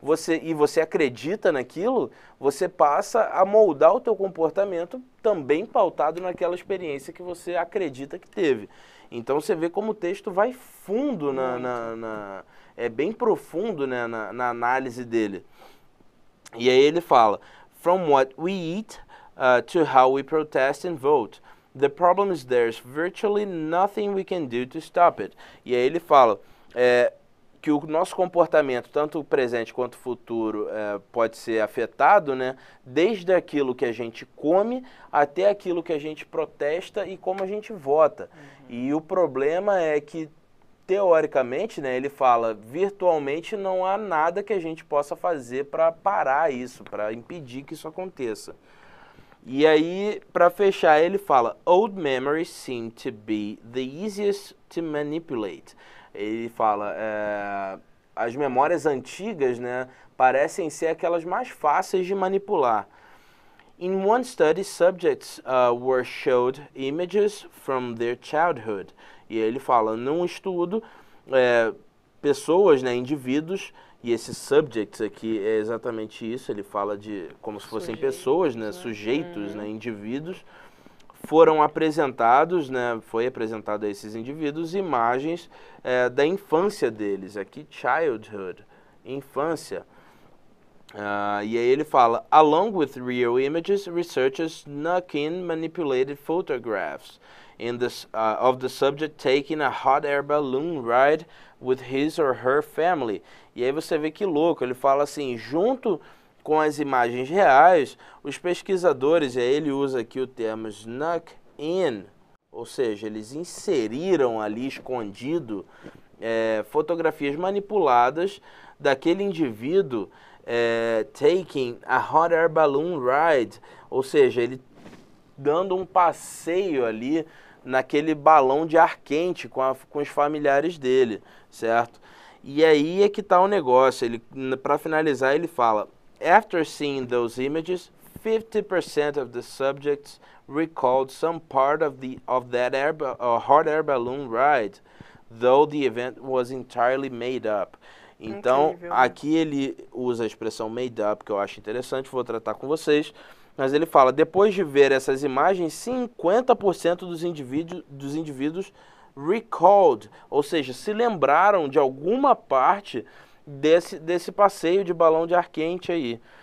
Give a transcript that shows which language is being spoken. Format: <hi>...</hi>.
<pt>você acredita naquilo, você passa a moldar o teu comportamento também pautado naquela experiência que você acredita que teve. Então você vê como o texto vai fundo Muito. na, na, na é bem profundo, né, na análise dele. E aí ele fala:</pt> <en>From what we eat, to how we protest and vote. The problem is there's virtually nothing we can do to stop it.</en> <pt>E aí ele fala que o nosso comportamento, tanto o presente quanto o futuro, pode ser afetado, né? Desde aquilo que a gente come até aquilo que a gente protesta e como a gente vota. E o problema é que, teoricamente, né, ele fala, virtualmente não há nada que a gente possa fazer para parar isso, para impedir que isso aconteça. E aí, para fechar, ele fala:</pt> <en>Old memories seem to be the easiest to manipulate.</en> <pt>Ele fala: as memórias antigas, né, parecem ser aquelas mais fáceis de manipular.</pt> <en>In one study, subjects were showed images from their childhood.</en> <pt>E aí ele fala: num estudo, pessoas, né, indivíduos, e esses subjects aqui é exatamente isso, ele fala de como se fossem pessoas, Sujeitos, né, né? sujeitos, né, indivíduos, foram apresentados, né, foi apresentado a esses indivíduos imagens da infância deles, aqui childhood, infância. E aí ele fala,</pt> <en>along with real images, researchers snuck in manipulated photographs in this, of the subject taking a hot air balloon ride with his or her family.</en> <pt>E aí você vê que louco, ele fala assim, junto com as imagens reais, os pesquisadores, e aí ele usa aqui o termo</pt> <en>snuck in,</en> <pt>ou seja, eles inseriram ali escondido fotografias manipuladas daquele indivíduo</pt> <en>taking a hot air balloon ride,</en> <pt>ou seja, ele dando um passeio ali naquele balão de ar quente com os familiares dele, certo? E aí é que está o negócio, ele, para finalizar, ele fala,</pt> <en>after seeing those images, 50% of the subjects recalled some part of the of that air, hot air balloon ride, though the event was entirely made up.</en> <pt>Então, incrível, né? Aqui ele usa a expressão made up, que eu acho interessante, vou tratar com vocês. Mas ele fala, depois de ver essas imagens, 50% dos indivíduos recalled, ou seja, se lembraram de alguma parte desse passeio de balão de ar quente aí.</pt>